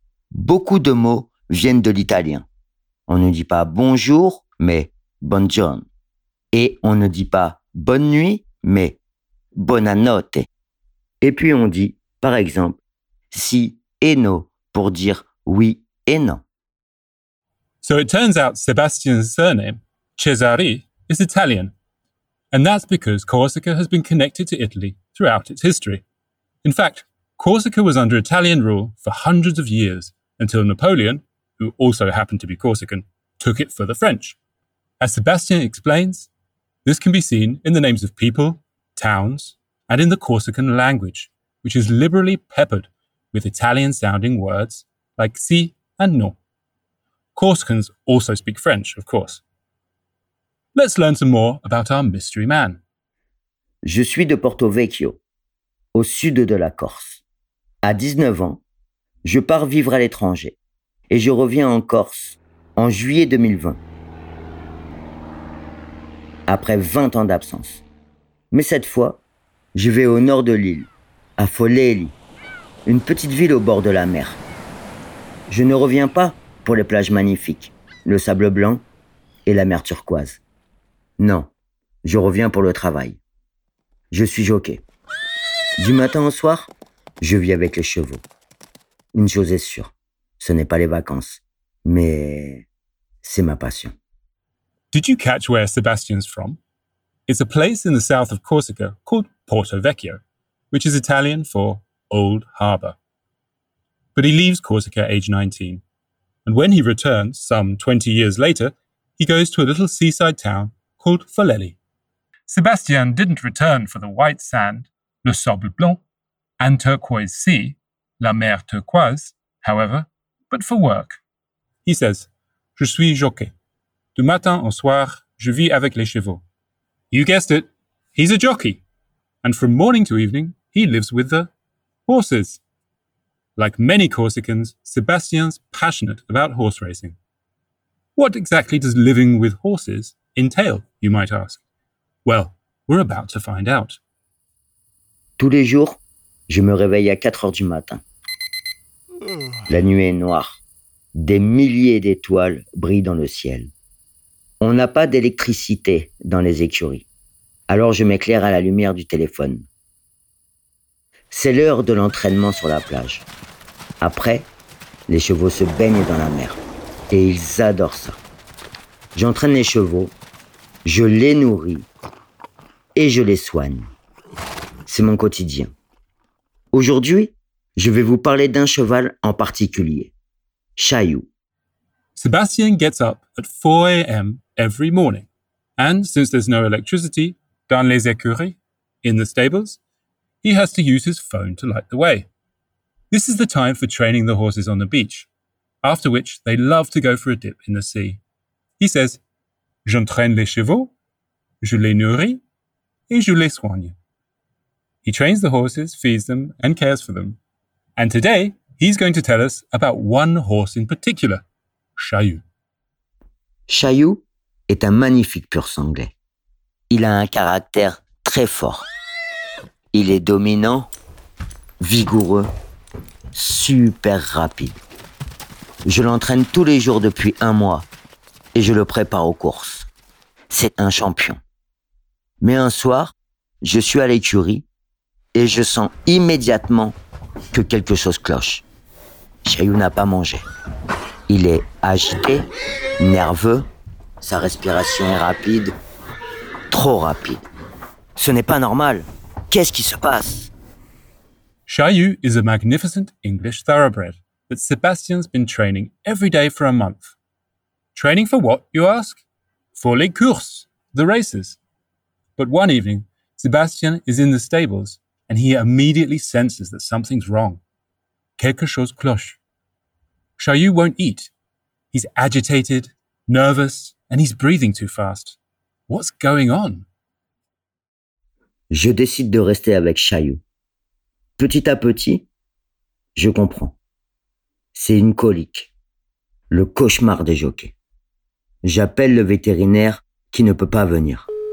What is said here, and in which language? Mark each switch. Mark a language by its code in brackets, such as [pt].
[fr] Beaucoup de mots viennent de l'italien. On ne dit pas bonjour, mais buongiorno. Et on ne dit pas « bonne nuit », mais « buonanotte ». Et puis on dit, par exemple, « si et no » pour dire « oui et non ». [en] So it turns out Sébastien's surname, Cesare, is Italian. And that's because Corsica has been connected to Italy throughout its history. In fact, Corsica was under Italian rule for hundreds of years until Napoleon, who also happened to be Corsican, took it for the French. As Sébastien explains, this can be seen in the names of people, towns, and in the Corsican language, which is liberally peppered with Italian-sounding words like si and no. Corsicans also speak French, of course. Let's learn some more about our mystery man. [fr] Je suis de Porto Vecchio, au sud de la Corse. À 19 ans, je pars vivre à l'étranger et je reviens en Corse en juillet 2020. Après 20 ans d'absence. Mais cette fois, je vais au nord de l'île, à Folleli, une petite ville au bord de la mer. Je ne reviens pas pour les plages magnifiques, le sable blanc et la mer turquoise. Non, je reviens pour le travail. Je suis jockey. Du matin au soir, je vis avec les chevaux. Une chose est sûre, ce n'est pas les vacances, mais c'est ma passion. [en] Did you catch where Sébastien's from? It's a place in the south of Corsica called Porto Vecchio, which is Italian for Old Harbour. But he leaves Corsica age 19, and when he returns, some 20 years later, he goes to a little seaside town called Folleli. Sébastien didn't return for the white sand, [fr] le sable blanc, [en] and turquoise sea, [fr] la mer turquoise, [en] however, but for work. He says, [fr] "Je suis jockey. Du matin au soir, je vis avec les chevaux." [en] You guessed it, he's a jockey. And from morning to evening, he lives with the horses. Like many Corsicans, Sébastien's passionate about horse racing. What exactly does living with horses entail, you might ask? Well, we're about to find out. [fr] Tous les jours, je me réveille à 4 heures du matin. La nuit est noire. Des milliers d'étoiles brillent dans le ciel. On n'a pas d'électricité dans les écuries. Alors je m'éclaire à la lumière du téléphone. C'est l'heure de l'entraînement sur la plage. Après, les chevaux se baignent dans la mer. Et ils adorent ça. J'entraîne les chevaux, je les nourris et je les soigne. C'est mon quotidien. Aujourd'hui, je vais vous parler d'un cheval en particulier. Chalut. [en] Sébastien gets up at 4 a.m. every morning. And since there's no electricity [fr] dans les écuries, [en] in the stables, he has to use his phone to light the way. This is the time for training the horses on the beach, after which they love to go for a dip in the sea. He says, [fr] j'entraîne les chevaux, je les nourris, et je les soigne. [en] He trains the horses, feeds them, and cares for them. And today, he's going to tell us about one horse in particular, Chaillou. [fr] Chaillou est un magnifique pur sanglais. Il a un caractère très fort. Il est dominant, vigoureux, super rapide. Je l'entraîne tous les jours depuis un mois et je le prépare aux courses. C'est un champion. Mais un soir, je suis à l'écurie et je sens immédiatement que quelque chose cloche. Chaillou n'a pas mangé. Il est agité, nerveux, sa respiration est rapide, trop rapide. Ce n'est pas normal. Qu'est-ce qui se passe? [en] Chaillou is a magnificent English thoroughbred that Sébastien's been training every day for a month. Training for what, you ask? For [fr] les courses, [en] the races. But one evening, Sébastien is in the stables and he immediately senses that something's wrong. [fr] Quelque chose cloche. [en] Chaillou won't eat. He's agitated, nervous, and he's breathing too fast. What's going on? [fr] Je décide de rester avec Chaillou. Petit à petit, je comprends. C'est une colique. Le cauchemar des jockeys. J'appelle le vétérinaire qui ne peut pas venir.